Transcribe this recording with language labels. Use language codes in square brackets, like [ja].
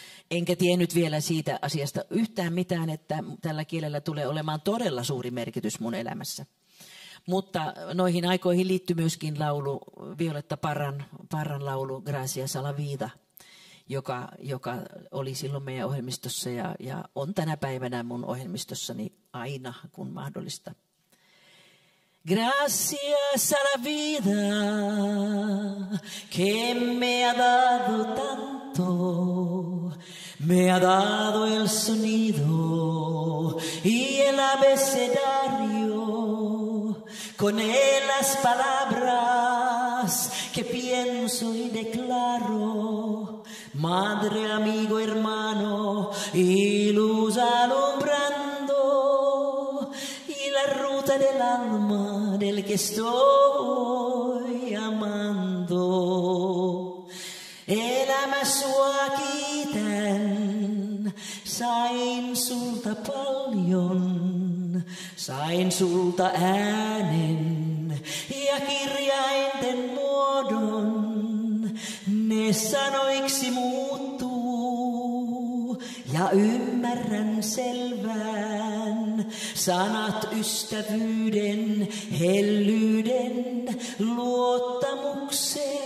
[fi] enkä tiennyt vielä siitä asiasta yhtään mitään, että tällä kielellä tulee olemaan todella suuri merkitys mun elämässä. Mutta noihin aikoihin liittyy myöskin laulu, Violetta Parran laulu Gracias a la vida, joka oli silloin meidän ohjelmistossa ja on tänä päivänä mun ohjelmistossani aina, kun mahdollista. [es] Gracias a la vida que me ha dado tanto, me ha dado el sonido y el abecedario, con él las palabras que pienso y declaro, madre, amigo, hermano y luz alumbrando, y la ruta del alma del que estoy amando. [fi] El ama su aquiten, sain sulta paljon, sain sulta äänen ja kirjainten muodon. Ne sanoiksi muuttuu ja ymmärrän selvän sanat ystävyyden, hellyyden, luottamuksen.